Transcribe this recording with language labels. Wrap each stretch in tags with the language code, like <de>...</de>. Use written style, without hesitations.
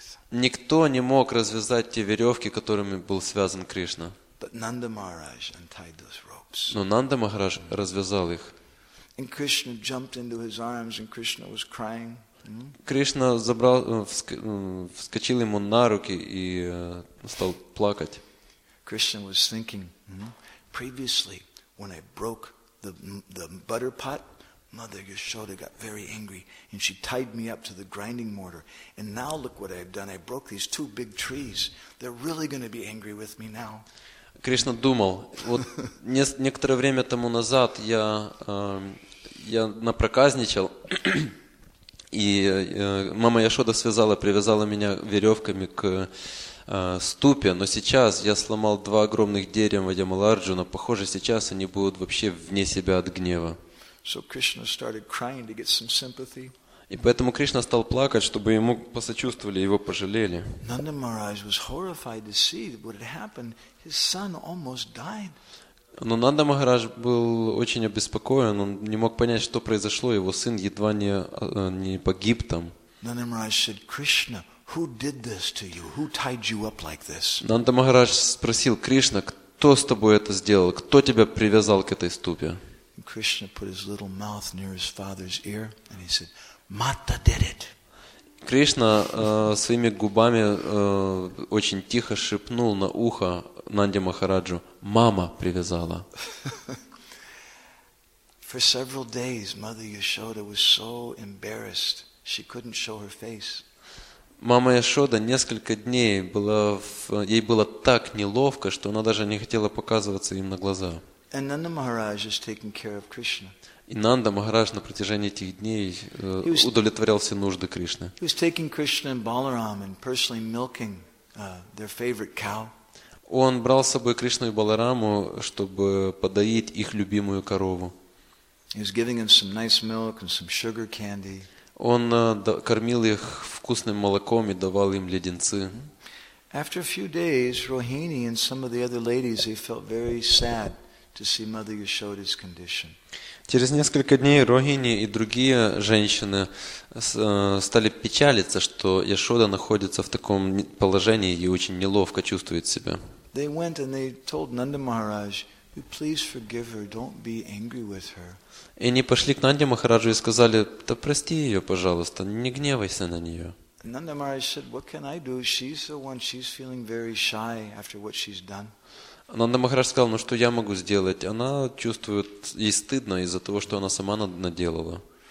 <ru>Никто не мог развязать те веревки, которыми был связан Кришна. Но Нанда Махарадж развязал их.</ru> <en>And Krishna jumped into his arms and Krishna was crying.</en> <ru>Кришна забрал, вскочил ему на руки и стал плакать.</ru> <en>Krishna was thinking, previously when I broke the butter pot, Mother Yashoda got very angry and she tied me up to the grinding mortar. And now look what I've done. I broke these two big trees. They're really going to be angry with me now.</en> <ru>Кришна думал, вот некоторое время тому назад я напроказничал, и мама Яшода связала, привязала меня веревками к ступе, но сейчас я сломал два огромных дерева Ямаларджуна, похоже, сейчас они будут вообще вне себя от гнева.</ru> <en>So Krishna started crying to get some sympathy.</en> <ru>И поэтому Кришна стал плакать, чтобы ему посочувствовали, его пожалели.</ru> <en>Nanda Maharaj was horrified to see what had happened. His son almost died.</en> <ru>Но Нанда Махарадж был очень обеспокоен. Он не мог понять, что произошло. Его сын едва не погиб там.</ru> <en>Nanda Maharaj said, "Krishna, who did this to you? Who tied you up like this?"</en> <ru>Нанда Махарадж спросил Кришна, кто с тобой это сделал? Кто тебя привязал к этой ступе?</ru> <en>Krishna put his little mouth near his father's ear and he said, Mata did it.</en> <ru>Кришна своими губами очень тихо шепнул на ухо Нанде Махараджу: "Мама привязала".</ru> <en>For several days Mother Yashoda was so embarrassed, she couldn't show her face.</en> <ru>Мама Яшода несколько дней была ей было так неловко, что она даже не хотела показываться им на глаза.</ru> <en>And Nanda Maharaj is taking care of Krishna.</en> <ru>И Нанда Махарадж на протяжении этих дней удовлетворял все нужды Кришны.</ru> <en>He was taking Krishna and Balaram and personally milking their favorite cow.</en> <ru>Он брал с собой Кришну и Балараму, чтобы подоить их любимую корову.</ru> <en>He was giving them some nice milk and some sugar candy.</en> <ru>Он кормил их вкусным молоком и давал им леденцы.</ru> <en>After a few days, Rohini and some of the other ladies, they felt very sad to see Mother Yashoda's condition.</en> <ru>Через несколько дней Рогини и другие женщины стали печалиться, что Яшода находится в таком положении и очень неловко чувствует себя.</ru> <en>They went and they told Nanda Maharaj, "Please forgive her, don't be angry with her."</en> <ru>И они пошли к Нанде Махараджу и сказали: "Да прости ее, пожалуйста, не гневайся на нее."</ru> <en>Nanda Maharaj said, "What can I do? She's the one, she's feeling very shy after what she's done."</en> <ru>Нанда Махарадж сказал, ну что я могу сделать? Она чувствует, ей стыдно из-за того, что она сама наделала.</ru>